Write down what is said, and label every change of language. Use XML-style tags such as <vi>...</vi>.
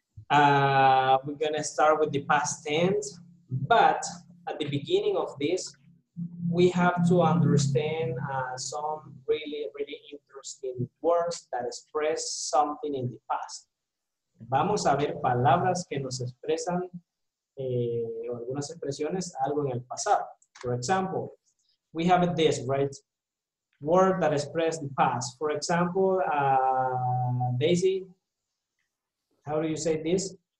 <en>We're gonna start with the past tense, but at the beginning of this, we have to understand some really, really interesting words that express something in the past.</en> <es>Vamos a ver palabras que nos expresan o algunas expresiones, algo en el pasado.</es> <en>For example, we have this, right? Word that expresses the past. For example, Daisy, how do you say this?</en>